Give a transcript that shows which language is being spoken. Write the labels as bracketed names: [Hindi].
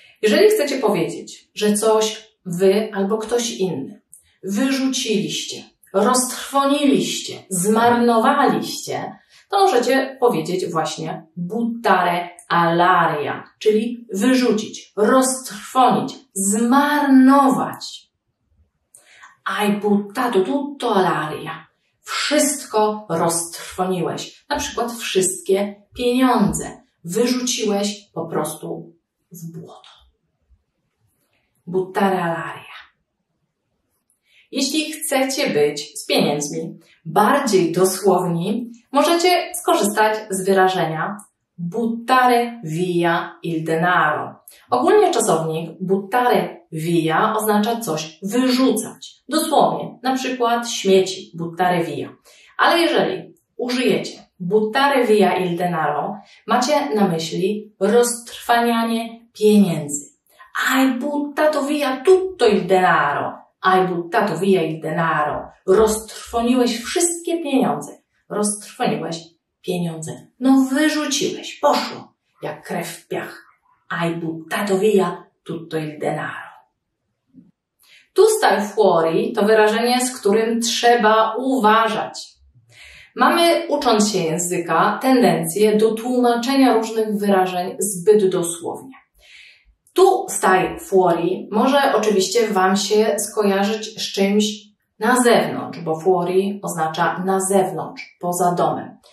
[Polish] Jeżeli chcecie powiedzieć, że coś wy albo ktoś inny wyrzuciliście, roztrwoniliście, zmarnowaliście, to możecie powiedzieć właśnie [Italian] buttare all'aria, [Polish] czyli wyrzucić, roztrwonić, zmarnować. [Italian] Hai buttato tutto all'aria. [Polish] Wszystko roztrwoniłeś. Na przykład wszystkie pieniądze wyrzuciłeś po prostu w błoto. [Italian] Buttare all'aria. [Polish] Jeśli chcecie być z pieniędzmi bardziej dosłowni, możecie skorzystać z wyrażenia [Italian] buttare via il denaro. [Polish] Ogólnie czasownik [Italian] buttare via [Polish] oznacza coś wyrzucać. Dosłownie, na przykład śmieci, [Italian] buttare via. [Polish] Ale jeżeli użyjecie [Italian] buttare via il denaro, [Polish] macie na myśli roztrwanianie pieniędzy. [Italian] Hai buttato via tutto il denaro. Hai buttato via il denaro. [Polish] Roztrwoniłeś wszystkie pieniądze. Roztrwoniłeś pieniądze. No wyrzuciłeś, poszło jak krew w piach. [Italian] Hai buttato via tutto il denaro. Tu stai fuori [Polish] to wyrażenie, z którym trzeba uważać. Mamy, ucząc się języka, tendencję do tłumaczenia różnych wyrażeń zbyt dosłownie. [Italian] Tu stai fuori [Polish] może oczywiście Wam się skojarzyć z czymś na zewnątrz, bo fuori oznacza na zewnątrz, poza domem.